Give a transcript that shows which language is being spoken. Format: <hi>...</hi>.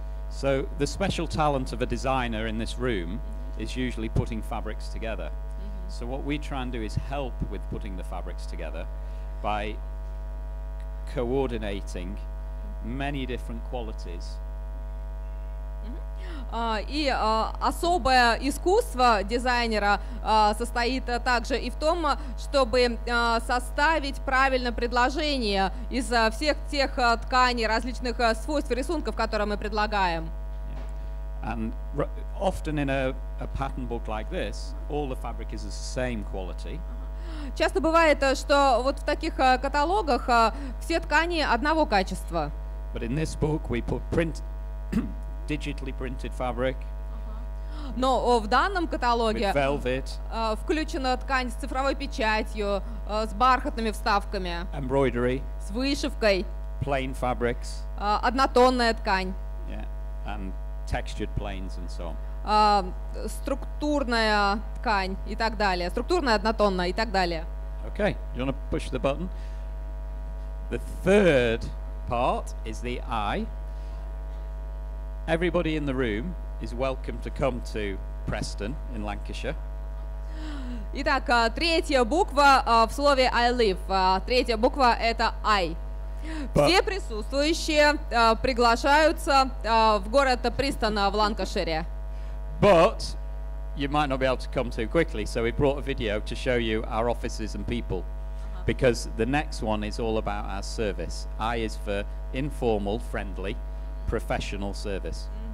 <en>So the special talent of a designer in this room is usually putting fabrics together. So what we try and do is help with putting the fabrics together by coordinating many different qualities.</en> <ru>И особое искусство дизайнера состоит также и в том, чтобы составить правильное предложение из всех тех тканей, различных свойств рисунков, которые мы предлагаем.</ru> <en>And often in a pattern book like this, all the fabric is the same quality.</en> <ru>Часто бывает, что вот в таких каталогах все ткани одного качества.</ru> <en>But in this book, we put digitally printed fabric.</en> <ru>Но в данном каталоге</ru> <en>with velvet,</en> <ru>включена ткань с цифровой печатью, с бархатными вставками,</ru> <en>embroidery,</en> <ru>с вышивкой,</ru> <en>plain fabrics,</en> <ru>однотонная ткань.</ru> <en>Yeah. And textured planes and so on.</en> <ru>структурная ткань и так далее, структурная однотонна и так далее.</ru> <en>Okay, you want to push the button? The third part is the eye. Everybody in the room is welcome to come to Preston in Lancashire.</en> <ru>Итак, третья буква в слове I live. Третья буква — это I. Все присутствующие приглашаются в город Престона в Ланкашире.</ru> <en>But you might not be able to come too quickly, so we brought a video to show you our offices and people. Because the next one is all about our service. I is for informal, friendly, professional service.</en>